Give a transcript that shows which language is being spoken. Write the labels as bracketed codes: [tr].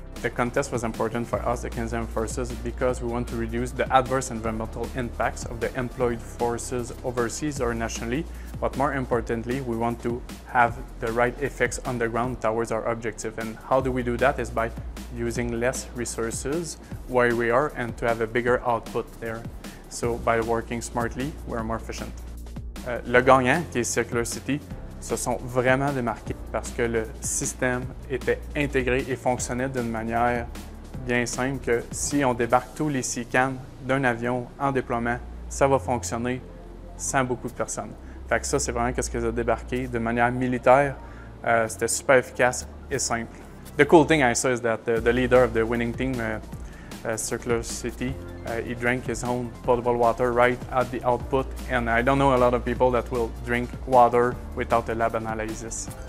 [en] The contest was important for us, the Canadian Forces, because we want to reduce the adverse environmental impacts of the employed forces overseas or nationally, but more importantly, we want to have the right effects on the ground towards our objective. And how do we do that? Is by using less resources where we are and to have a bigger output there. So by working smartly, we're more efficient. [fr] Le Gagnant, qui est Circular City, se sont vraiment démarqués parce que le système était intégré et fonctionnait d'une manière bien simple que si on débarque tous les CCAN d'un avion en déploiement, ça va fonctionner sans beaucoup de personnes. Fait que ça, c'est vraiment ce qu'ils ont débarqué de manière militaire. C'était super efficace et simple. [en] The cool thing I saw is that the leader of the winning team, Circular City, he drank his own potable water right at the output, and I don't know a lot of people that will drink water without a lab analysis.